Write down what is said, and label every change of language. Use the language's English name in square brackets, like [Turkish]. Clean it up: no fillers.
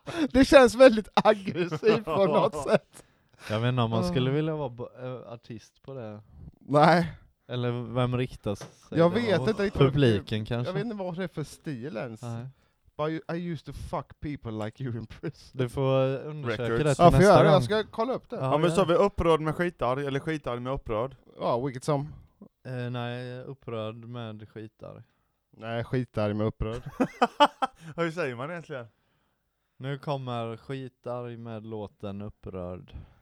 [Swedish] Det känns väldigt aggressivt på något sätt. Jag vet inte om man skulle vilja vara artist på det. Nej. Eller vem riktas? Jag vet inte. Publiken kanske. Jag vet inte vad det är för stil ens. [English] I used to fuck people like you in prison. [Swedish] Du får undersöka records. Det till nästa gång. Jag ska kolla upp det. Ja, men så är vi upprörd med skitar, eller skitar med upprörd. Ja, vilket som. Nej, upprörd med skitar. Nej, skitarg med upprörd. Hur säger man egentligen? Nu kommer skitarg med låten upprörd.